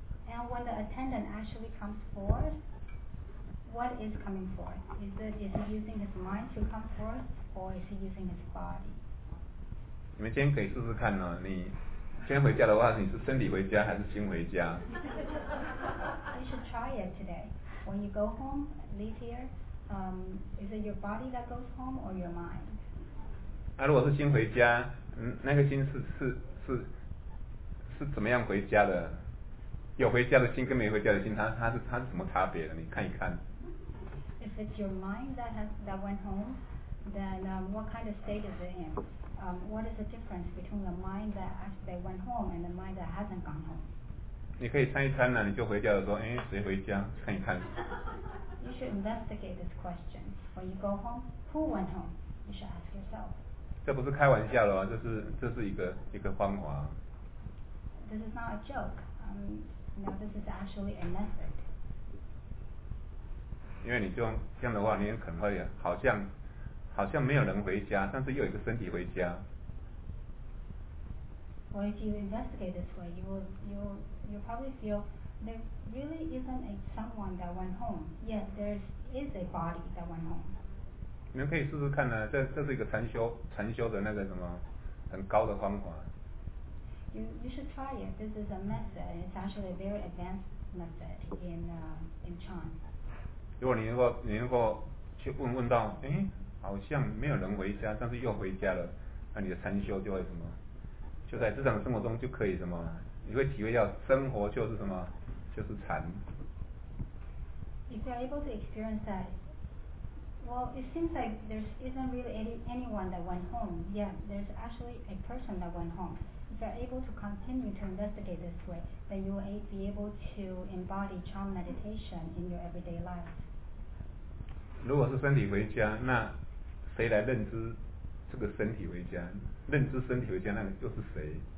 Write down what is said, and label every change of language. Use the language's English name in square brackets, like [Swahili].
[English] And when the attendant actually comes forth, what is coming forth? Is he using his mind to come forth, or is he using his body? [Chinese] 你们今天可以试试看哦，你先回家的话，你是身体回家还是心回家？ [English] You should try it today. When you go home, leave here, is it your body that goes home or your mind? [Chinese] 那、啊、如果是心回家，那个心是怎么样回家的？有回家的心跟没回家的心，它是什么差别的？你看一看。 [English] If it's your mind that went home, then what kind of state is it in? What is the difference between the mind that actually went home and the mind that hasn't gone home? [Chinese] 你可以参一参呢、啊，你就回家的时候，哎，谁回家？看一看。 [English] You should investigate this question. When you go home, who went home? You should ask yourself. [Chinese] 这不是开玩笑了吗？这是一个方法。 [English] This is not a joke. No, this is actually a method. [Chinese] 因为你就这样的话，你也肯会好像没有人回家，但是又有一个身体回家。 [English] Well, if you investigate this way, you probably feel there really isn't someone that went home. Yet there is a body that went home. [Chinese] 你们可以试试看呢、啊，这是一个禅修的那个什么很高的方法。 [English] You should try it. This is a method. It's actually a very advanced method in Chan. [Chinese] 如果你能够去问到，哎。好像没有人回家，但是又回家了，那你的禅修就会什么，就在日常生活中就可以什么，你会体会到生活就是什么，就是禅。 [English] If you're able to experience that, well, it seems like there isn't really anyone that went home. Yeah, there's actually a person that went home. If you're able to continue to investigate this way, then you will be able to embody Chan meditation in your everyday life. [Chinese] 如果是身体回家，那谁来认知这个身体为家？认知身体为家，那又是谁